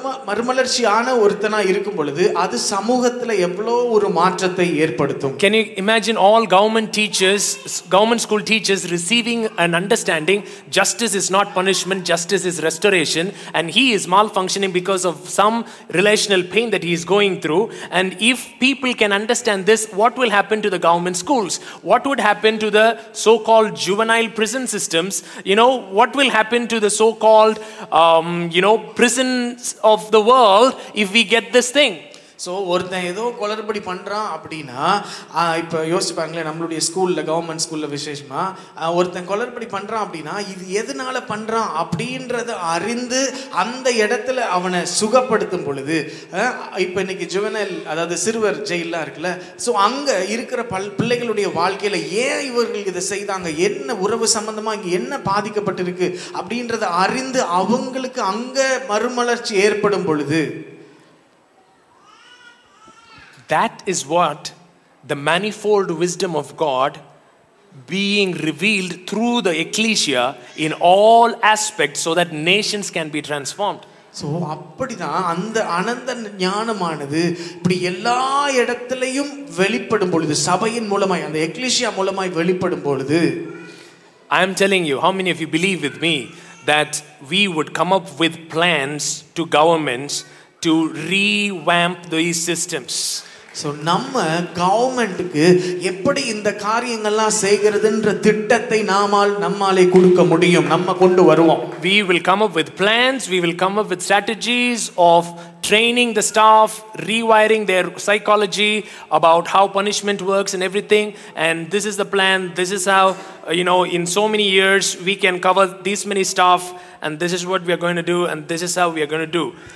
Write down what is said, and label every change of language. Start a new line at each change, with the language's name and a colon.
Tamil: மறுமலர்ச்சியான ஒருத்தனா இருக்கும் பொழுது அது சமூகத்தில் எவ்வளவு ஒரு மாற்றத்தை ஏற்படுத்தும்.
English: Can you imagine all government teachers, government school teachers receiving an understanding justice is not punishment, justice is restoration, and he is malfunctioning because of some relational pain that he is going through? And if people can understand this, what will happen to the government schools? What would happen to the so-called juvenile prison systems? You know, what will happen to the so-called prisons of the world if we get this thing?
Tamil: So ஒருத்தன் ஏதோ குளறுபடி பண்ணுறான் அப்படின்னா, இப்போ யோசிச்சுப்பாங்களே நம்மளுடைய ஸ்கூலில், government ஸ்கூலில் விசேஷமாக, ஒருத்தன் குளறுபடி பண்ணுறான் அப்படின்னா இது எதனால் பண்ணுறான் அப்படின்றத அறிந்து அந்த இடத்துல அவனை சுகப்படுத்தும் பொழுது, இப்போ இன்னைக்கு ஜுவனல் அதாவது சிறுவர் ஜெயிலெலாம் இருக்குல்ல, ஸோ அங்கே இருக்கிற பிள்ளைகளுடைய வாழ்க்கையில் ஏன் இவர்கள் இதை செய்தாங்க, என்ன உறவு சம்மந்தமாக இங்கே என்ன பாதிக்கப்பட்டிருக்கு அப்படின்றத அறிந்து அவங்களுக்கு அங்கே மறுமலர்ச்சி ஏற்படும் பொழுது,
English: that is what the manifold wisdom of God being revealed through the ecclesia in all aspects so that nations can be transformed.
Tamil: So அப்படிதான் அந்த அனந்த ஞானமானது இப்படி எல்லா இடத்திலையும் வெளிப்படும் பொழுது, சபையின் மூலமாய், அந்த ecclesia மூலமாய் வெளிப்படும் பொழுது,
English: I am telling you, how many of you believe with me that we would come up with plans to governments to revamp these systems?
Tamil: So நம்ம கவர்மெண்ட்டுக்கு எப்படி இந்த காரியங்கள்லாம் செய்கிறதுன்ற திட்டத்தை நம்மாலே கொடுக்க முடியும், நம்ம கொண்டு வருவோம்.
English: We will come up with plans, we will come up with strategies of training the staff, rewiring their psychology about how punishment works and everything, and this is the plan, this is how, you know, in so many years we can cover this many staff, and this is what we are going to do, and this is how we are going to do.